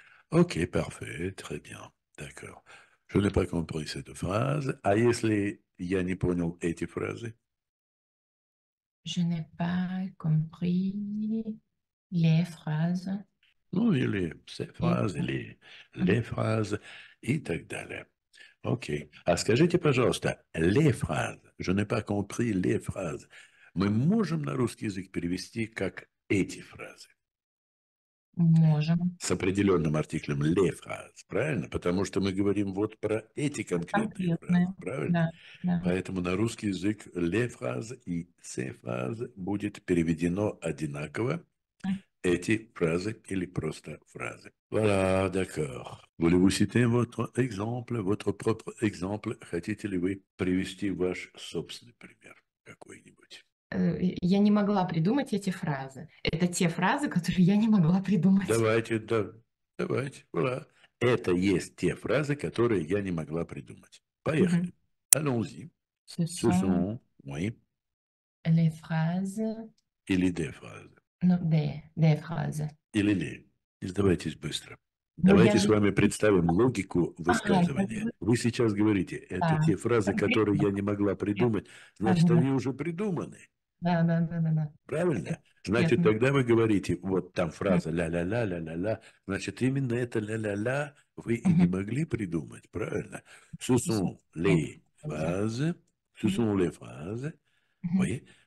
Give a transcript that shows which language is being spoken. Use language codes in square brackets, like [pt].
[fr] Окей, parfait, très bien, d'accord. Je n'ai pas compris cette phrase. [ru] А если я не понял эти фразы? [fr] Je n'ai pas compris les phrases. Ou les phrases, les phrases et [ru] tak dalè. Ok. А скажите, пожалуйста, [fr] les phrases. Je n'ai pas compris les phrases. [ru] Мы можем на русский язык перевести как эти фразы? Можем. С определенным артиклем [fr] les phrases, [ru] правильно? Потому что мы говорим вот про эти конкретные Конкретное, фразы, правильно? да. Поэтому на русский язык [fr] les phrases [ru] и [fr] ces phrases [ru] будет переведено одинаково. Эти фразы или просто фразы. [fr] Voilà, d'accord. Voulez-vous citer votre exemple, votre propre exemple? [ru] Хотите ли вы привести ваш собственный пример какой-нибудь? Я не могла придумать эти фразы. Это те фразы, которые я не могла придумать. Давайте, да, давайте. [fr] Voilà. [ru] Это есть те фразы, которые я не могла придумать. Поехали. [fr] Allons-y. Ce Ce sont sont, oui, les phrases, [ru] или [fr] des phrases. non, des phrases. [ru] Или не. Сдавайтесь быстро. Но я Давайте же... с вами представим логику высказывания. Вы сейчас говорите, это те фразы, которые я не могла придумать, значит, они уже придуманы. Да. Правильно? Значит, Конкретно. тогда вы говорите, вот там фраза ля-ля-ля, ля-ля-ля, значит, именно это ля-ля-ля вы и не могли придумать, правильно? [fr] Ce sont les phrases, ce sont les phrases, oui,